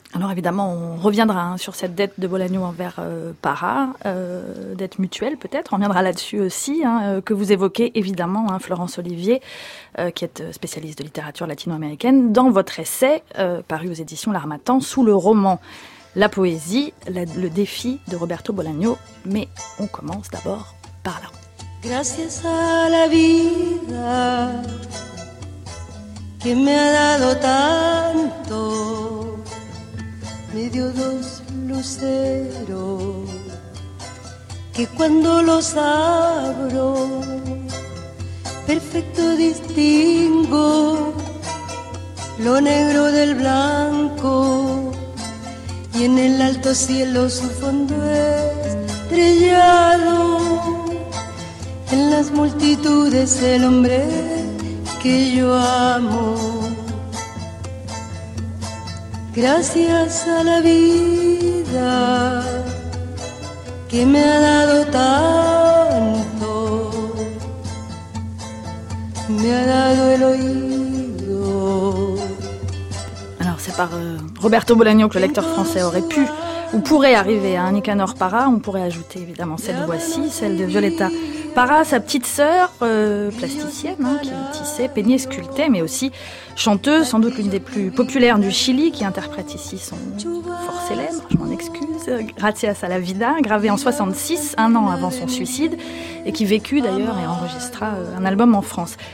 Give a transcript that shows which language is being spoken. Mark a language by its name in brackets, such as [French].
[French] Alors évidemment, on reviendra sur cette dette de Bolaño envers Parra, dette mutuelle peut-être, on reviendra là-dessus aussi, que vous évoquez évidemment, Florence Olivier, qui est spécialiste de littérature latino-américaine, dans votre essai paru aux éditions L'Harmattan, sous le roman La poésie, le défi de Roberto Bolaño. Mais on commence d'abord par là. [Spanish] Gracias a la vida que me ha dado tanto, me dio dos luceros que cuando los abro perfecto distingo lo negro del blanco y en el alto cielo su fondo estrellado. En las multitudes el hombre que yo amo. Gracias a la vida que me ha dado tanto, me ha dado el oído. [French] Alors c'est par Roberto Bolaño que le lecteur français aurait pu ou pourrait arriver à Nicanor Parra. On pourrait ajouter évidemment cette voix-ci, celle de Violeta Parra, sa petite sœur, plasticienne, qui tissait, peignait, sculptait, mais aussi chanteuse, sans doute l'une des plus populaires du Chili, qui interprète ici son fort célèbre, je m'en excuse, Gracias a la vida, gravé en 66, un an avant son suicide, et qui vécut d'ailleurs et enregistra un album en France.